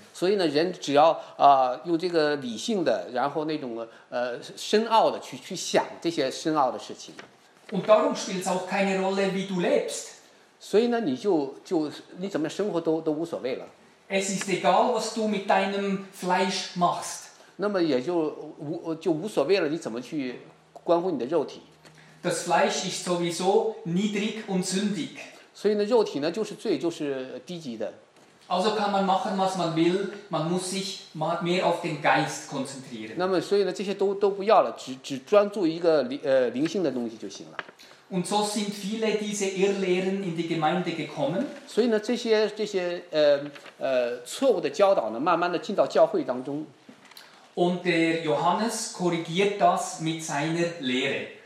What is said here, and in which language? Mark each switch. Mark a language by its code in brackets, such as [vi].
[zh] 所以呢，人只要用这个理性的，然后那种深奥的去想这些深奥的事情。 [de] Und darum spielt's auch keine Rolle, wie du lebst. [zh] 所以呢，你就你怎么生活都无所谓了。 [de] Es ist egal, was du mit deinem Fleisch machst. [zh] 那么也就无所谓了，你怎么去关乎你的肉体。 [de] Das Fleisch ist sowieso niedrig und sündig. [zh] 所以呢，肉体呢就是罪，就是低级的。 [de] Also kann man machen, was man will. Man muss sich mehr auf den Geist konzentrieren. [zh] 那么所以呢，这些都不要了，只专注一个灵性的东西就行了。 [de] Und so sind viele diese Irrlehren in die Gemeinde gekommen. [zh] 所以呢，这些错误的教导呢，慢慢的进到教会当中。 [de] Und der Johannes korrigiert das mit seiner Lehre.